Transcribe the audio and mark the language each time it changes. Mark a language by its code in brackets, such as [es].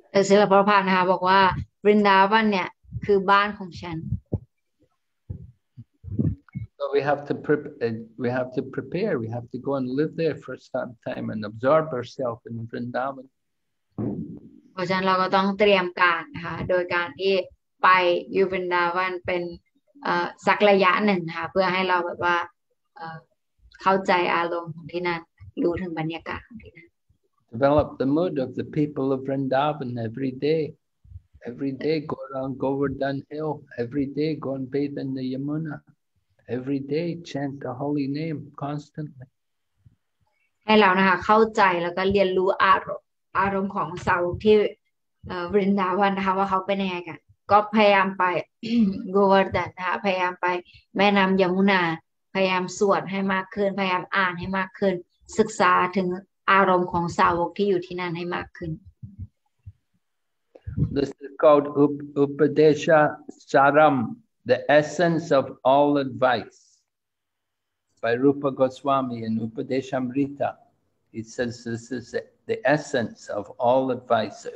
[th] ศิลปราภานะคะบอกว่าบริณาวันเนี่ยคือบ้านของฉัน [en] So we have to prepare we have to go and live there for some time and absorb ourselves in Vrindavan [th] เพราะฉะนั้นเราก็ต้องเตรียมการนะคะโดยการที่ไปอยู่บริณาวันเป็นสักระยะหนึ่งค่ะเพื่อให้เราแบบว่าเข้าใจอารมณ์ของที่นั่นรู้ถึงบรรยากาศของที่นั่น [en] Develop the mood of the people of Vrindavan every dayEvery day go around Govardhan Hill. Every day go and bathe in the Yamuna. Every day chant the holy name constantly. [th] ให้เรานะคะเข้าใจแล้วก็เรียนรู้อารมณ์ของสาวที่วรินดาวันนะคะว่าเขาเป็นยังไงกันก็พยายามไป Govardhan นะคะพยายามไปแม่น้ำยมุนาพยายามสวดให้มากขึ้นพยายามอ่านให้มากขึ้นศึกษาถึงอารมณ์ของสาวที่อยู่ที่นั่นให้มากขึ้น [en] This is called Upadesha Saram, the essence of all advice. By Rupa Goswami in Upadeshamrita, he says this is the essence of all advice.